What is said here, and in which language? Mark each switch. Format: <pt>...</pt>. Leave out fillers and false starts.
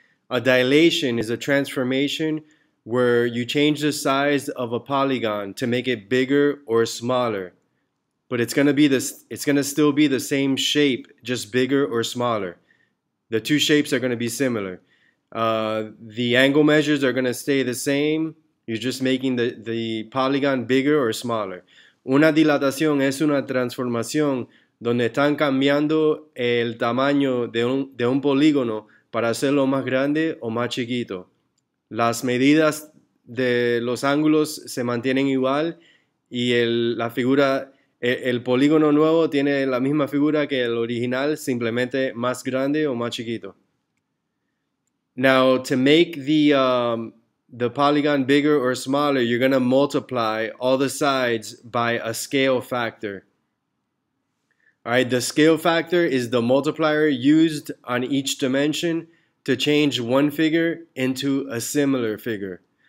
<en>A dilation is a transformation where you change the size of a polygon to make it bigger or smaller. But it's going to still be the same shape, just bigger or smaller. The two shapes are going to be similar. The angle measures are going to stay the same. You're just making the polygon bigger or smaller.</en> <es>Una dilatación es una transformación donde están cambiando el tamaño de un polígono para hacerlo más grande o más chiquito. Las medidas de los ángulos se mantienen igual y el polígono nuevo tiene la misma figura que el original, simplemente más grande o más chiquito.</es> <en>Now, to make the polygon bigger or smaller, you're going to multiply all the sides by a scale factor. All right, the scale factor is the multiplier used on each dimension to change one figure into a similar figure.</en>